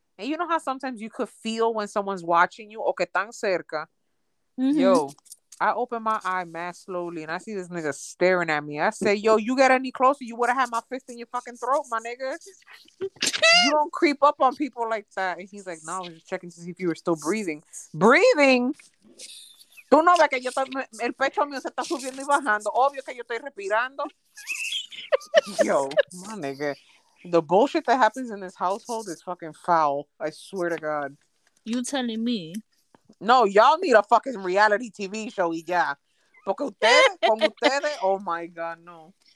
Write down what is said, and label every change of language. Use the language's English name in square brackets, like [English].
[English] And you know how sometimes you could feel when someone's watching you? [Spanish] O que tan cerca. [English] Mm-hmm. Yo, I open my eye mad slowly and I see this nigga staring at me. I say, yo, you get any closer, you would have had my fist in your fucking throat, my nigga. You don't creep up on people like that. And he's like, no, I was just checking to see if you were still breathing. Breathing? [Spanish] Tú no ves que yo el pecho mío se está subiendo y bajando. Obvio que yo estoy respirando. Yo, [English] my nigga. The bullshit that happens in this household is fucking foul. I swear to God. You telling me? No, y'all need a fucking reality TV show, [Spanish] y ya. Porque ustedes, con ustedes, [English] oh my god, no.